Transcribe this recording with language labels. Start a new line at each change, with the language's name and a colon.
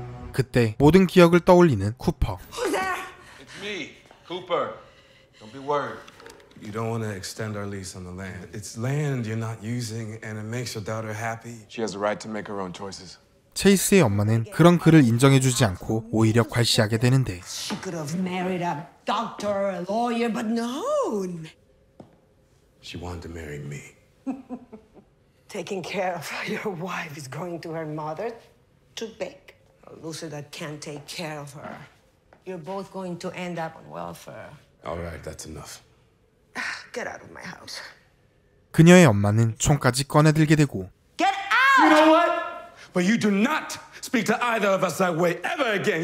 Korean: 그때 모든 기억을 떠올리는 쿠퍼.
English: Who's there? It's me, Cooper. Don't be worried. You don't want to extend our lease on the land. It's land you're not using, and it makes your daughter happy. She has a right to make her own choices.
Korean: 체이스의 엄마는 그런 그를 인정해주지 않고 오히려 괄시하게 되는데.
English: She could have married a doctor, a lawyer, but no. She wanted to marry me. Taking care of your wife is going to her mother. Too big. A loser that can't take care of her. You're both going to end up on welfare. All right, that's enough. Get out of my house.
Korean: 그녀의 엄마는 총까지 꺼내들게 되고.
English: Get out! You know what? But you do not speak to either of us that way ever again.